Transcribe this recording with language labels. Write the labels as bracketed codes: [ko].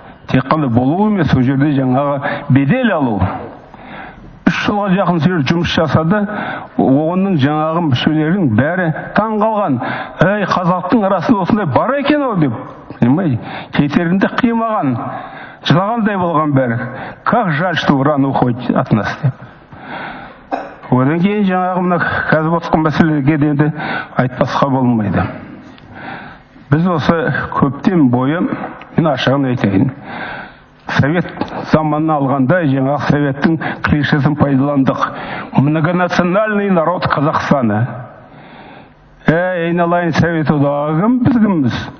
[kk] Тек қана болу емес, ол жерде жаңағы бедел алу. 3 жылға жақын сөйлеп жұмыс жасады, оның жаңағы мүшелерінің бәрі таңғалған. Әй, қазақтың арасында осындай бар екен ау деп, кетерінде қимаған, жылағандай болған бәрі. [ru] Как жаль, что [kk] ұран [ru] уходит от нас деп. [kk] Одан кейін жаңағы мына қазіргі отырған мәселеге енді айтпасқа болмайды. Біз осы көптен бойы, мен ашығын айтайын, совет заманына алғанда жаңағы советтің клишесін пайдаландық. [ru] Многонациональный народ [kk] Қазақстаны. Айналайын совет одағын біздіңіз.